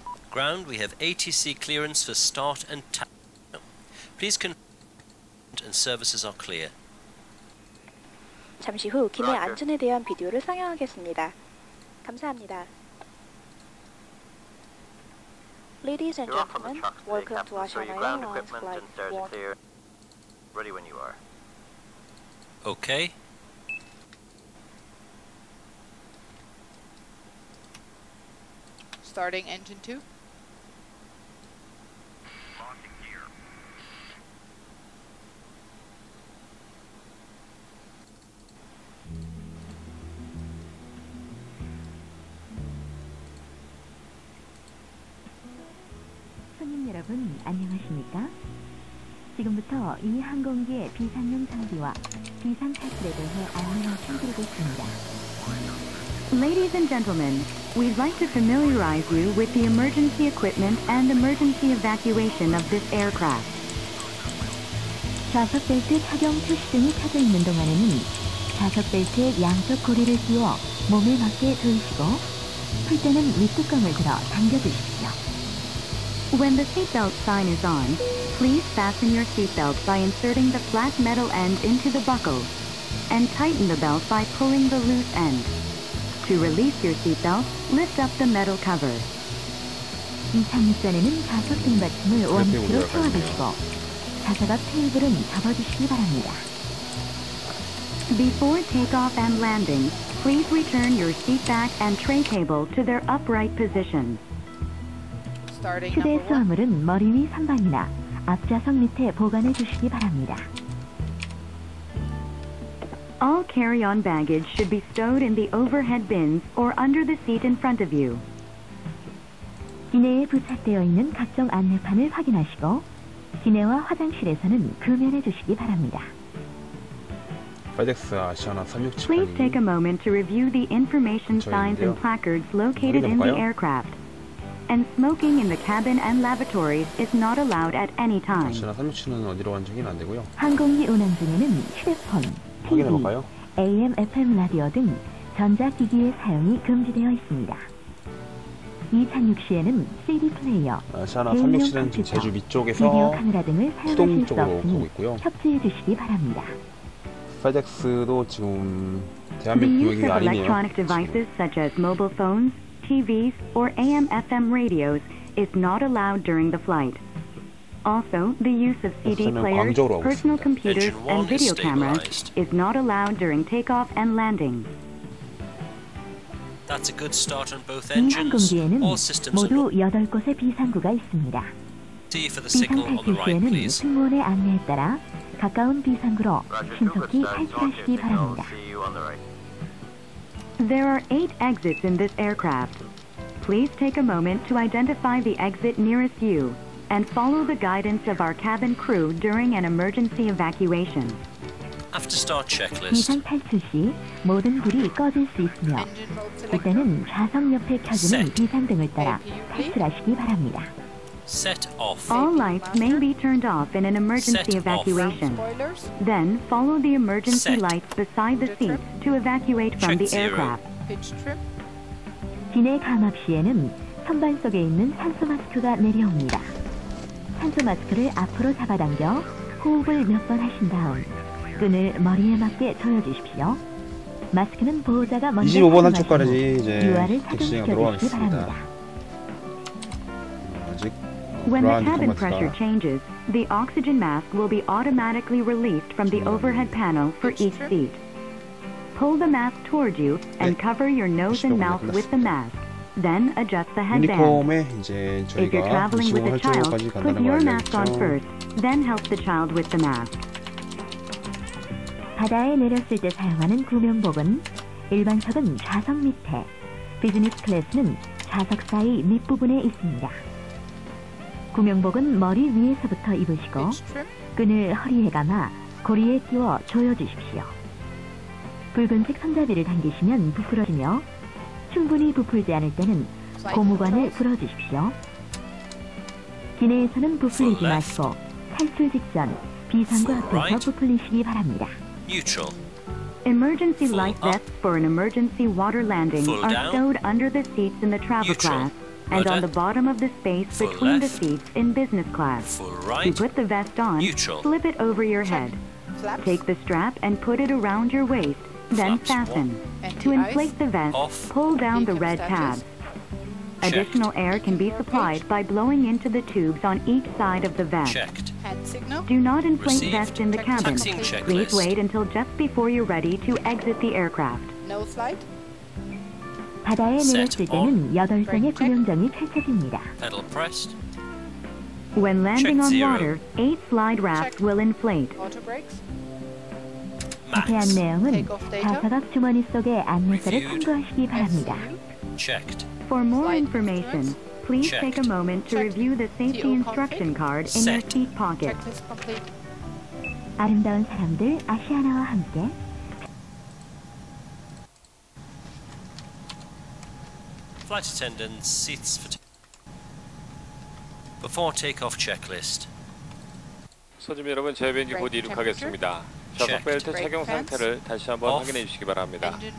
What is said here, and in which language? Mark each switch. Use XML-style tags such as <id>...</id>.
<en>Ground, we have ATC clearance for start and tap. Please confirm and services are clear.</en> <ko>잠시 후 기내 안전에 대한 비디오를 상영하겠습니다. 감사합니다.</ko> <en>Ladies and gentlemen, welcome to Asiana Airlines flight. Ready when you are. Okay. Starting engine 2. Launching gear.</en> <ko>Sonim, 여러분, 안녕하십니까? 지금부터 이 항공기의 비상용 장비와 비상 탈출에 대해 안내를 해드리겠습니다.</ko> <en>Ladies and gentlemen, we'd like to familiarize you with the emergency equipment and emergency evacuation of this aircraft.</en> <ko>좌석 벨트 착용 표시 등이 켜져 있는 동안에는 좌석 벨트의 양쪽 고리를 끼워 몸에 맞게 조이시고 풀 때는 윗뚜껑을 들어 당겨주십시오.</ko> <en>When the seatbelt sign is on, please fasten your seatbelt by inserting the flat metal end into the buckle and tighten the belt by pulling the loose end. To release your seatbelt, lift up the metal cover.</en> <ko>이 착륙전에는 좌석 등받침을 원위치로 세워주시고 좌석 앞 테이블은 접어주시기 바랍니다.</ko> <en>Before takeoff and landing, please return your seat back and tray table to their upright position.</en> <ko>휴대 수화물은 머리 위 선반이나 앞좌석 밑에 보관해 주시기 바랍니다.</ko> <en>All carry-on baggage should be stowed in the overhead bins or under the seat in front of you.</en> <ko>기내에 부착되어 있는 각종 안내판을 확인하시고 기내와 화장실에서는 금연해 주시기 바랍니다. FedEx 아시아나 367번이</ko> <en>Please take a moment to review the information signs and placards located in the aircraft. And smoking in the cabin and lavatories is not allowed at any time.</en> <ko>아시아나 367은 어디로 간 적이 안 되고요. 항공기 운항 중에는 휴대폰, TV, AM, FM 라디오 등 전자기기의 사용이 금지되어 있습니다. 이착륙시에는 CD 플레이어, 아시아나 367은 지금 제주 위쪽에서 수동 쪽으로 가고 있고요. 협조해 주시기 바랍니다. FedEx도 지금 대한민국이 아니네요.</ko> <en>Electronic devices such as mobile phones, TVs, or AM/FM radios is not allowed during the flight. Also, the use of CD players, personal computers, and video cameras is not allowed during takeoff and landing. That's a good start on both engines. All systems are on.</en> <ko>8곳의 비상구가 있습니다. 비상탈출시에는 승무원의 안내에 따라 가까운 비상구로 신속히 탈출하시기 바랍니다.</ko> <en>There are 8 exits in this aircraft. Please take a moment to identify the exit nearest you and follow the guidance of our cabin crew during an emergency evacuation. After start checklist.</en> <ko>비상탈출시 모든 불이 꺼질 수 있으며 그때는 좌석 옆에 켜지는 비상등을 따라 탈출하시기 바랍니다.</ko> <en>Set off. All lights may be turned off in an emergency evacuation. Then follow the emergency lights beside the seat to evacuate from the aircraft.</en> <ko>기내 감압 시에는 선반 속에 있는 산소 마스크가 내려옵니다. 산소 마스크를 앞으로 잡아당겨 호흡을 몇 번 하신 다음 끈을 머리에 맞게 조여 주십시오. 마스크는 보호자가 먼저 25번 한쪽까지 이제 택시가 들어가겠습니다. 바랍니다.</ko> <en>When the cabin pressure changes, the oxygen mask will be automatically released from the overhead panel for each seat. Pull the mask toward you and cover your nose and mouth with the mask. Then adjust the headband. If you're traveling with a child, put your mask on first, then help the child with the mask.</en> <ko>바다에 내렸을 때 사용하는 구명복은 일반석은 좌석 밑에, 비즈니스 클래스는 좌석 사이 밑부분에 있습니다. 구명복은 머리 위에서부터 입으시고 끈을 허리에 감아 고리에 끼워 조여주십시오. 붉은색 손잡이를 당기시면 부풀어지며 충분히 부풀지 않을 때는 고무관을 풀어주십시오. 기내에서는 부풀리지 마시고 탈출 직전 비상구 앞에서 부풀리시기 바랍니다.</ko> <en>Neutral. Emergency life vests for an emergency water landing are stowed under the seats in the travel class. And on the bottom of the space between the seats in business class. You put the vest on, flip it over your head. Take the strap and put it around your waist, then fasten. To inflate the vest, pull down the red tab. Additional air can be supplied by blowing into the tubes on each side of the vest. Do not inflate vest in the cabin. Please wait until just before you're ready to exit the aircraft. No flight.</en> <ko>바다에 내렸을 때는 8명의 구명정이 펼쳐집니다.</ko> <en>When landing on water, 8 slide rafts will inflate.</en> <ko>자세한 내용은 좌석 앞 주머니 속에 안내서를 참고하시기 바랍니다.</ko> <en>For more information, please take a moment to review the safety instruction card in your seat pocket.</en> <ko>아름다운 사람들 아시아나와 함께</ko> <en>Flight attendants, seats for before takeoff checklist.</en> <ko>손님 여러분, 제 비행기 곧 이륙하겠습니다. 좌석 벨트 착용 상태를 다시 한번 확인해 주시기 바랍니다.</ko>